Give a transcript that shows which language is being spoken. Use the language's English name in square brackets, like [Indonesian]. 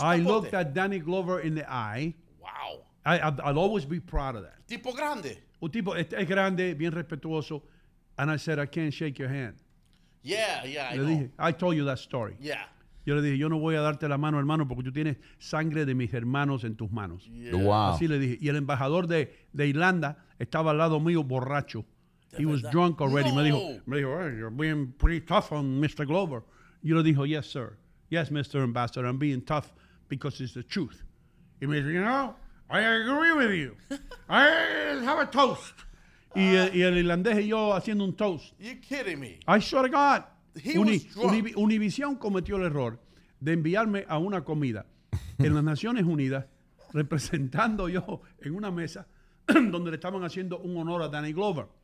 [English] I looked at Danny Glover in the eye. Wow. I'll always be proud of that. [Spanish] Tipo grande. Un tipo es grande, bien respetuoso. [English] And I said, I can't shake your hand. Yeah, I know. I told you that story. Yeah. [Spanish] Yo le dije, yo no voy a darte la mano, hermano, porque tú tienes sangre de mis hermanos en tus manos. [English] Yeah. Wow. [Spanish] Así le dije. Y el embajador de Irlanda estaba al lado mío borracho. [English] He was drunk already. [Spanish] No. Me dijo, [English] hey, you're being pretty tough on Mr. Glover. [Spanish] Yo le dije, [English] yes, sir. Yes, Mr. Ambassador, I'm being tough because it's the truth. [Spanish] Y me dice, [English] you know, I agree with you. I have a toast. [Spanish] Y el irlandés y yo haciendo un toast. [English] You're kidding me. I swear to God. He was drunk. [Spanish] Univision cometió el error de enviarme a una comida en las Naciones Unidas, representando yo en una mesa donde le estaban haciendo un honor a Danny Glover.